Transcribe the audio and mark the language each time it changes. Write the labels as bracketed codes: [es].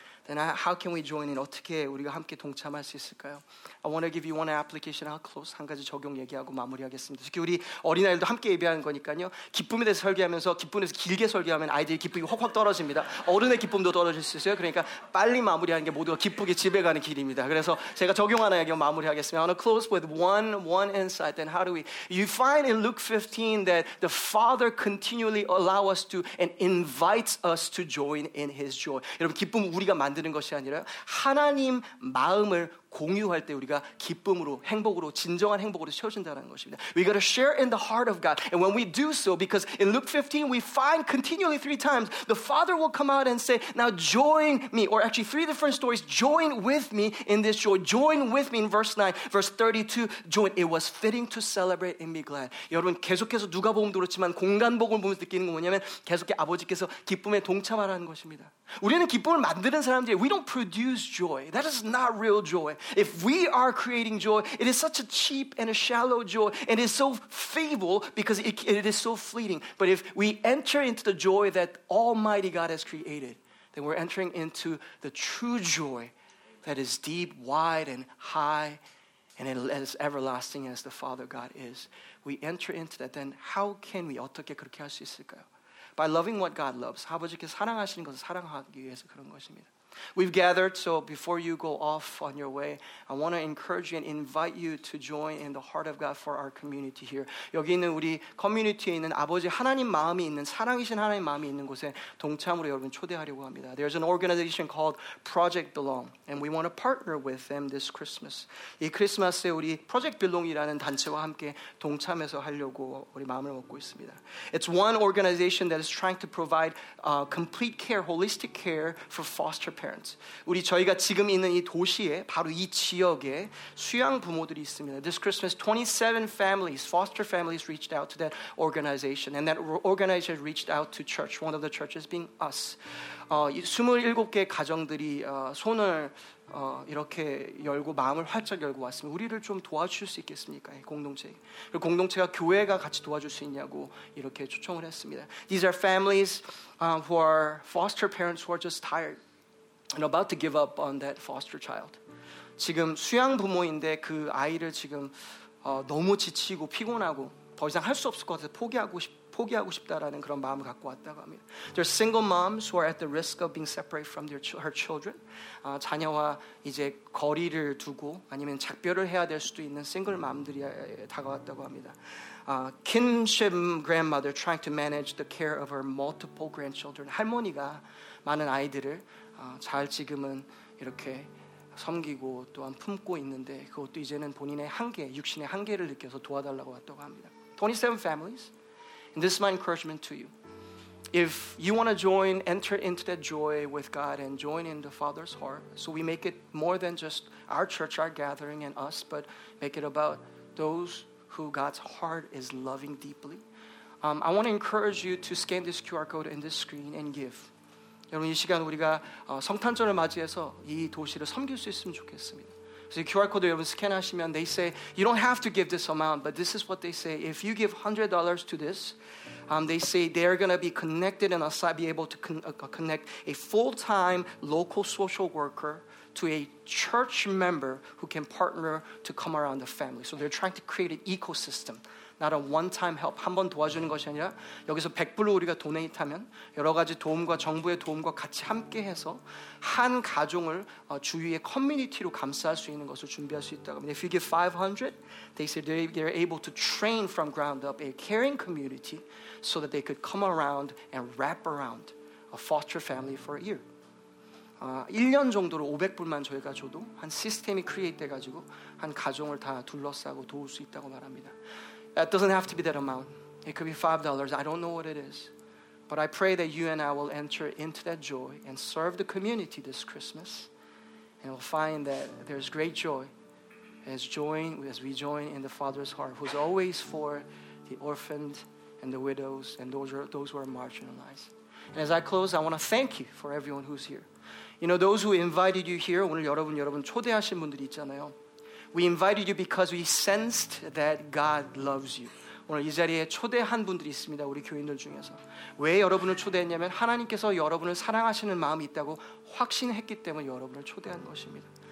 [en] Then how can we join in? [ko] 어떻게 우리가 함께 동참할 수 있을까요? [en] I want to give you one application. I'll close. [ko] 한 가지 적용 얘기하고 마무리하겠습니다. 특히 우리 어린아이들도 함께 예배하는 거니까요. 기쁨에 대해서 설교하면서 기쁨에서 길게 설교하면 아이들이 기쁨이 확확 떨어집니다. 어른의 기쁨도 떨어질 수 있어요. 그러니까 빨리 마무리하는 게 모두가 기쁘게 집에 가는 길입니다. 그래서 제가 적용 하나 얘기하고 마무리하겠습니다. [en] I want to close with one insight. Then how do we? You find in Luke 15 that the Father continually allow us to and invites us to join in His joy. [ko] 여러분 기쁨 우리가 만드는 것이 아니라 하나님 마음을 공유할 때 우리가 기쁨으로, 행복으로, 진정한 행복으로 채워진다는 것입니다. [en] We got to share in the heart of God. And when we do so, because in Luke 15, we find continually three times, the Father will come out and say, now join me, or actually three different stories, join with me in this joy. Join with me in verse 9, verse 32, join. It was fitting to celebrate and be glad. [ko] 여러분, 계속해서 누가 보면 그렇지만 공간복음을 보면서 느끼는 건 뭐냐면 계속해 아버지께서 기쁨에 동참하라는 것입니다. 우리는 기쁨을 만드는 사람들이에요. [en] We don't produce joy. That is not real joy. If we are creating joy, it is such a cheap and a shallow joy, and it's so feeble because it is so fleeting. But if we enter into the joy that Almighty God has created, then we're entering into the true joy that is deep, wide, and high, and as everlasting as the Father God is. We enter into that, then how can we? [ko] 어떻게 그렇게 할 수 있을까요? [en] By loving what God loves. [ko] 아버지께서 사랑하시는 것을 사랑하기 위해서 그런 것입니다. [en] We've gathered, so before you go off on your way, I want to encourage you and invite you to join in the heart of God for our community here. [ko] 여기 있는 우리 커뮤니티에 있는 아버지 하나님 마음이 있는, 사랑이신 하나님 마음이 있는 곳에 동참으로 여러분 초대하려고 합니다. [en] There's an organization called Project Belong, and we want to partner with them this Christmas. [ko] 이 크리스마스에 우리 Project Belong이라는 단체와 함께 동참해서 하려고 우리 마음을 먹고 있습니다. [en] It's one organization that is trying to provide complete care, holistic care for foster parents. [ko] 우리 저희가 지금 있는 이 도시에 바로 이 지역에 수양 부모들이 있습니다. [en] This Christmas, 27 families, foster families reached out to that organization, and that organization reached out to church, one of the churches being us. [ko] 27개 가정들이 손을 이렇게 열고 마음을 활짝 열고 왔습니다. 우리를 좀 도와주실 수 있겠습니까? 공동체. 그리고 공동체가 교회가 같이 도와줄 수 있냐고 이렇게 초청을 했습니다. [en] These are families who are foster parents who are just tired. And about to give up on that foster child. [ko] 지금 수양 부모인데 그 아이를 지금 너무 지치고 피곤하고 더 이상 할 수 없을 것 같아서 포기하고 싶다라는 그런 마음을 갖고 왔다고 합니다. [en] There are single moms who are at the risk of being separated from her children. [ko] 자녀와 이제 거리를 두고 아니면 작별을 해야 될 수도 있는 싱글 맘들이 다가왔다고 합니다. [en] Kinship grandmother trying to manage the care of her multiple grandchildren. [ko] 할머니가 많은 아이들을 잘 지금은 이렇게 섬기고 또한 품고 있는데 그것도 이제는 본인의 한계, 육신의 한계를 느껴서 도와달라고 왔다고 합니다. [en] 27 families, and this is my encouragement to you. If you want to join, enter into that joy with God and join in the Father's heart, so we make it more than just our church, our gathering, and us, but make it about those who God's heart is loving deeply. I want to encourage you to scan this QR code in this screen and give. [ko] 여러분, 이 시간 우리가 성탄절을 맞이해서 이 도시를 섬길 수 있으면 좋겠습니다. [en] So [ko] QR 코드 여러분 스캔하시면 [en] they say you don't have to give this amount, but this is what they say. If you give $100 to this, they say they're going to be connected and be able to connect a full-time local social worker to a church member who can partner to come around the family. So they're trying to create an ecosystem. Not a one-time help, [ko] 한번 도와주는 것이 아니라 여기서 100불로 우리가 도네이트하면 여러 가지 도움과 정부의 도움과 같이 함께해서 한 가정을 주위의 커뮤니티로 감싸할 수 있는 것을 준비할 수 있다고 합니다. [en] If you give 500, they said they're able to train from ground up a caring community so that they could come around and wrap around a foster family for a year. [ko] 1년 정도로 500불만 저희가 줘도 한 시스템이 크리에이트 돼가지고 한 가정을 다 둘러싸고 도울 수 있다고 말합니다. [en] That doesn't have to be that amount. It could be $5. I don't know what it is. But I pray that you and I will enter into that joy and serve the community this Christmas. And we'll find that there's great joy as we join in the Father's heart, who's always for the orphaned and the widows and those who are marginalized. And as I close, I want to thank you for everyone who's here. You know, those who invited you here, [ko] 오늘 여러분 초대하신 분들 있잖아요. [en] We invited you because we sensed that God loves you. [ko] 오늘 이 자리에 초대한 분들이 있습니다. 우리 교인들 중에서. 왜 여러분을 초대했냐면 하나님께서 여러분을 사랑하시는 마음이 있다고 확신했기 때문에 여러분을 초대한 것입니다.